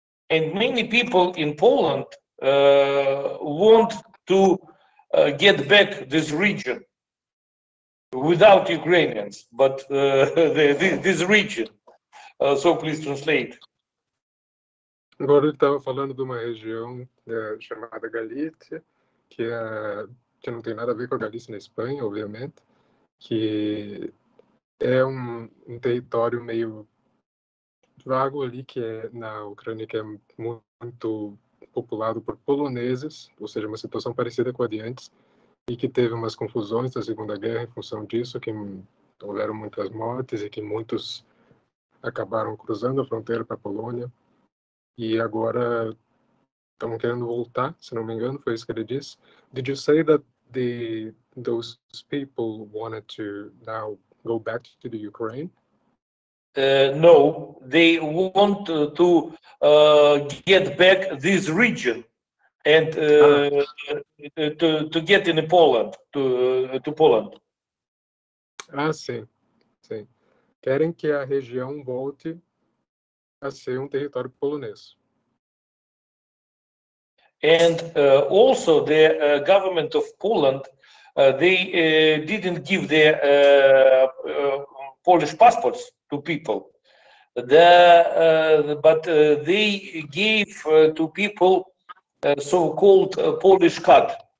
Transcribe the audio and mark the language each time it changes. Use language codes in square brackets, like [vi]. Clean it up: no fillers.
[en] And many people in Poland want to get back this region, without Ukrainians, but this region. So please translate. [pt] Agora ele estava falando de uma região chamada Galícia, que não tem nada a ver com a Galícia na Espanha, obviamente, que é um território meio vago ali, que é na Ucrânia, que é muito populado por poloneses, ou seja, uma situação parecida com a de antes, e que teve umas confusões da Segunda Guerra em função disso, que houveram muitas mortes e que muitos acabaram cruzando a fronteira para a Polônia. E agora estão querendo voltar, se não me engano, foi isso que ele disse. [en] Did you say that those people wanted to now go back to the Ukraine? No, they want to get back this region. And to get in Poland, to Poland. [pt] Ah, sim. Querem que a região volte a ser um território polonês. [en] And also the government of Poland, they didn't give their Polish passports to people. But they gave to people so-called Polish card,